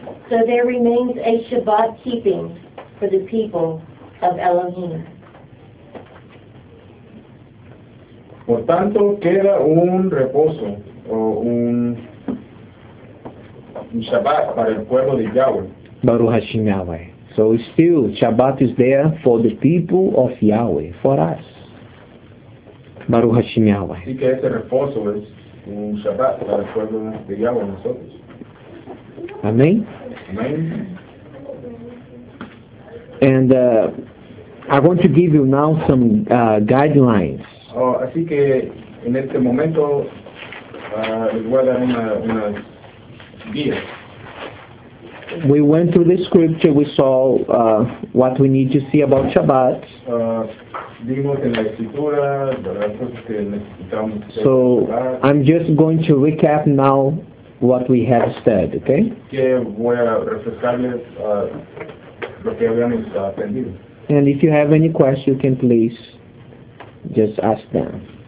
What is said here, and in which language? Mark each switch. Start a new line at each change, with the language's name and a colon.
English: So there remains a Shabbat keeping for the people of Elohim.
Spanish: Por tanto, queda un reposo, o un Shabbat para el pueblo de Yahweh.
Hebrew: Baruch Hashem Yahweh.
English: So still, Shabbat is there for the people of Yahweh, for us.
Hebrew: Baruch Hashem Yahweh.
Spanish: Y que ese reposo es un Shabbat para el pueblo de Yahweh, nosotros. Amen.
English: And I want to give you now some guidelines.
Spanish: Oh, así que en este momento les voy a dar unas guías.
English: We went through the scripture. We saw what we need to see about Shabbat.
Spanish: Vimos en la escritura las cosas que necesitamos.
English: So I'm just going to recap now what we have studied, okay?
Spanish: Que voy a refrescarles lo que habíamos aprendido.
English: And if you have any questions, you can please just ask them.